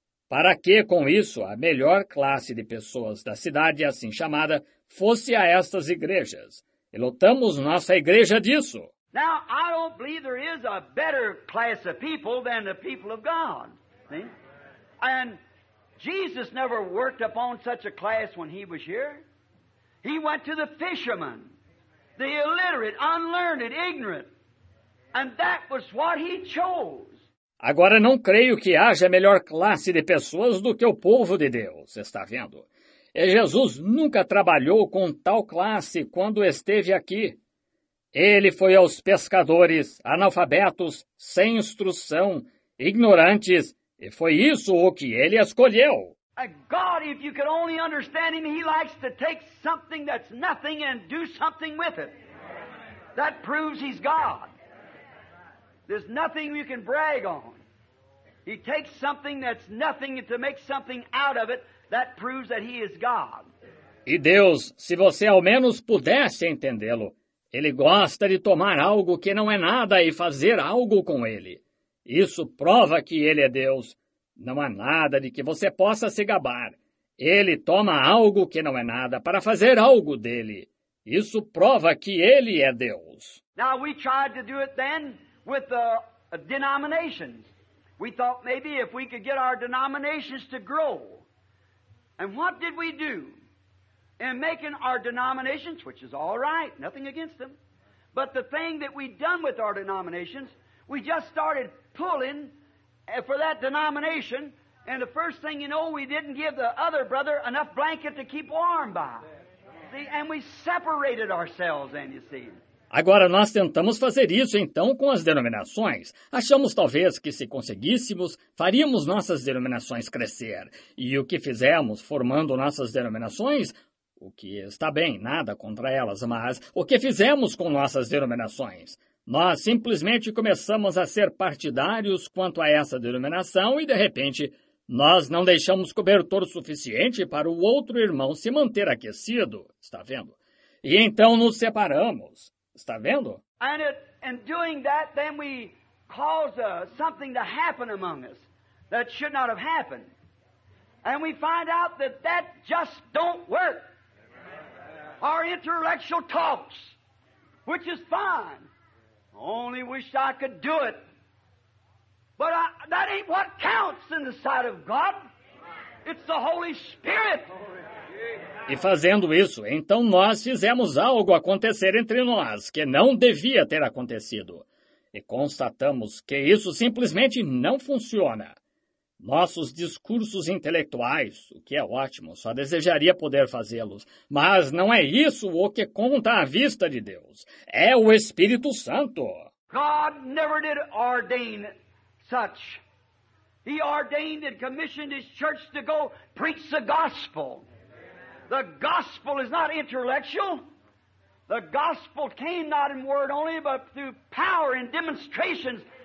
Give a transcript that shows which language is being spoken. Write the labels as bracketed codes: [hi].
[pt] Para que, com isso, a melhor classe de pessoas da cidade, assim chamada, fosse a estas igrejas. E lotamos nossa igreja disso. [en] Now, I don't believe there is a better class of people than the people of God. See? And Jesus never worked upon such a class when he was here. He went to the fishermen, the illiterate, unlearned, ignorant. And that was what he chose. [pt] Agora, não creio que haja melhor classe de pessoas do que o povo de Deus, está vendo? E Jesus nunca trabalhou com tal classe quando esteve aqui. Ele foi aos pescadores, analfabetos, sem instrução, ignorantes, e foi isso o que ele escolheu. [en] God, if you could only understand him, he likes to take something that's nothing and do something with it. That proves he's God. There's nothing you can brag on. He takes something that's nothing to make something out of it. That proves that he is God. [pt] E Deus, se você ao menos pudesse entendê-lo, ele gosta de tomar algo que não é nada e fazer algo com ele. Isso prova que ele é Deus. Não há nada de que você possa se gabar. Ele toma algo que não é nada para fazer algo dele. Isso prova que ele é Deus. [en] Now we tried to do it then with the denominations. We thought maybe if we could get our denominations to grow. And what did we do? In making our denominations, which is all right, nothing against them, but the thing that we done with our denominations, we just started pulling for that denomination, and the first thing you know, we didn't give the other brother enough blanket to keep warm by. See, and we separated ourselves then, you see. [pt] Agora, nós tentamos fazer isso, então, com as denominações. Achamos, talvez, que se conseguíssemos, faríamos nossas denominações crescer. E o que fizemos formando nossas denominações, o que está bem, nada contra elas, mas o que fizemos com nossas denominações? Nós simplesmente começamos a ser partidários quanto a essa denominação e, de repente, nós não deixamos cobertor suficiente para o outro irmão se manter aquecido, está vendo? E então nos separamos. Está vendo? [en] And in doing that, then we cause something to happen among us that should not have happened. And we find out that that just don't work. Our intellectual talks, which is fine. Only wish I could do it. But that ain't what counts in the sight of God. It's the Holy Spirit. [pt] E fazendo isso, então nós fizemos algo acontecer entre nós que não devia ter acontecido. E constatamos que isso simplesmente não funciona. Nossos discursos intelectuais, o que é ótimo, só desejaria poder fazê-los, mas não é isso o que conta à vista de Deus. É o Espírito Santo. [en] God never did ordain such. He ordained and commissioned his church to go preach the gospel. The gospel is not intellectual. The gospel came not in word only, but through power and demonstrations.